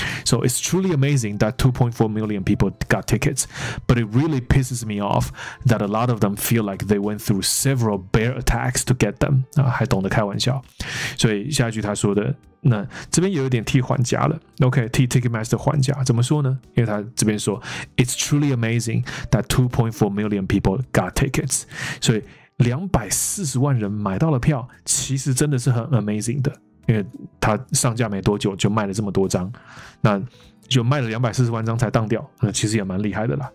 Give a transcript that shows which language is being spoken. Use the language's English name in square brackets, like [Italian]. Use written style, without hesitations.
[English] So it's truly amazing that 2.4 million people got tickets, but it really pisses me off that a lot of them feel like they went through several bear attacks to get them. [Chinese] 啊，还懂得开玩笑。所以下一句他说的，那这边也有点替还价了。 OK， 替 Ticketmaster 还价，怎么说呢？因为他这边说 [English] ，It's truly amazing that 2.4 million people got tickets. [Chinese] 所以240万人买到了票，其实真的是很 amazing 的。因为他上架没多久就卖了这么多张，那就卖了240万张才当掉，那其实也蛮厉害的啦。